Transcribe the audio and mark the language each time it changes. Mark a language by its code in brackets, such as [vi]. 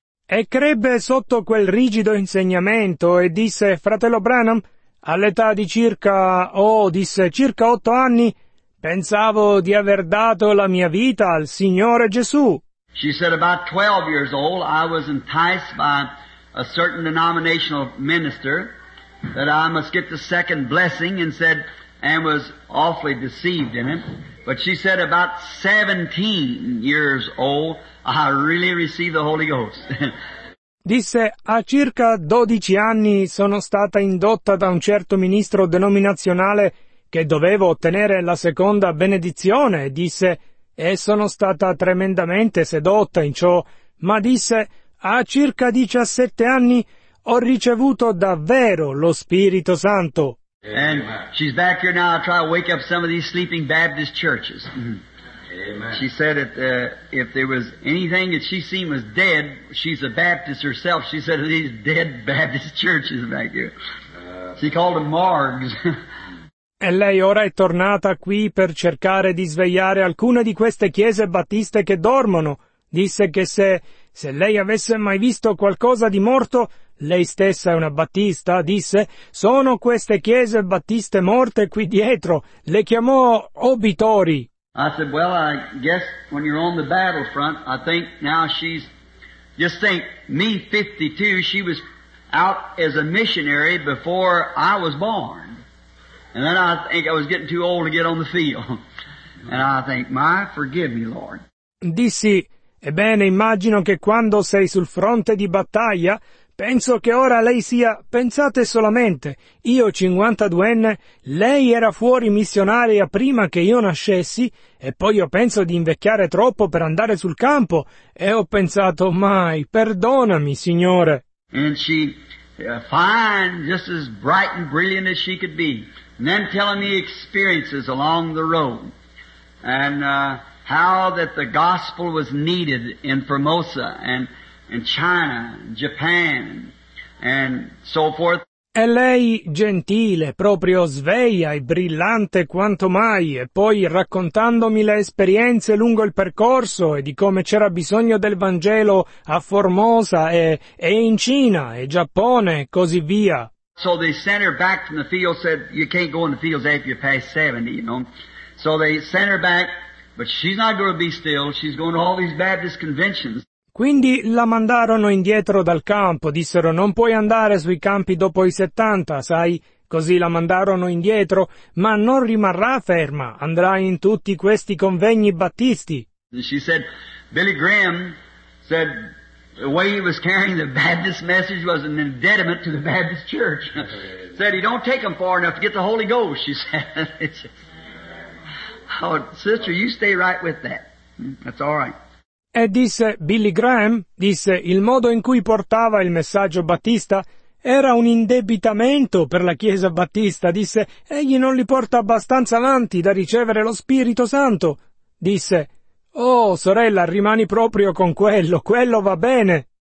[it] E crebbe sotto quel rigido insegnamento e disse, fratello Branham, all'età di circa 8 anni, pensavo di aver dato la mia vita al Signore Gesù. [en] She said about 12 years old, I was enticed by a certain denominational minister that I must get the second blessing and said, and was awfully deceived in it. But she said about 17 years old, I really received the Holy Ghost. [it] Disse, a circa 12 anni sono stata indotta da un certo ministro denominazionale che dovevo ottenere la seconda benedizione, disse, e sono stata tremendamente sedotta in ciò, ma disse, a circa 17 anni ho ricevuto davvero lo Spirito Santo. [en] Amen. And she's back here now, I'll try to wake up some of these sleeping Baptist churches. Amen. She said that if there was anything that she seen was dead, she's a Baptist herself. She said that these dead Baptist churches back here. She called them morgues. [it] E lei ora è tornata qui per cercare di svegliare alcune di queste chiese battiste che dormono. Disse che se lei avesse mai visto qualcosa di morto, lei stessa è una battista, disse, sono queste chiese battiste morte qui dietro. Le chiamò obitori. [en] I said, well, I guess when you're on the battlefront, I think now she's, just think, me 52, she was out as a missionary before I was born. And then I think I was getting too old to get on the field. And I think, my, forgive me, Lord. [it] Dissi, ebbene, immagino che quando sei sul fronte di battaglia, penso che ora lei sia, pensate solamente, io 52enne, lei era fuori missionaria prima che io nascessi, e poi io penso di invecchiare troppo per andare sul campo, e ho pensato, mai, perdonami, Signore. [en] And she, fine, just as bright and brilliant as she could be, and then telling me experiences along the road, and how that the gospel was needed in Formosa, and in China, Japan, and so forth. [it] E lei, gentile, proprio sveglia e brillante quanto mai, e poi raccontandomi le esperienze lungo il percorso e di come c'era bisogno del Vangelo a Formosa e in Cina e Giappone e così via. [en] So they sent her back from the field, said, you can't go in the fields after you're past 70, you know. So they sent her back, but she's not going to be still, she's going to all these Baptist conventions. [it] Quindi la mandarono indietro dal campo, dissero non puoi andare sui campi dopo i 70, sai, così la mandarono indietro, ma non rimarrà ferma, andrà in tutti questi convegni battisti. [en] And she said, Billy Graham said, the way he was carrying the Baptist message was an indebtment to the Baptist church. Said he don't take them far enough to get the Holy Ghost, she said. Oh, sister, you stay right with that. That's all right. [it] E disse Billy Graham, disse, il modo in cui portava il messaggio battista era un indebitamento per la Chiesa battista, disse, egli non li porta abbastanza avanti da ricevere lo Spirito Santo. Disse, oh sorella, rimani proprio con quello, quello va bene.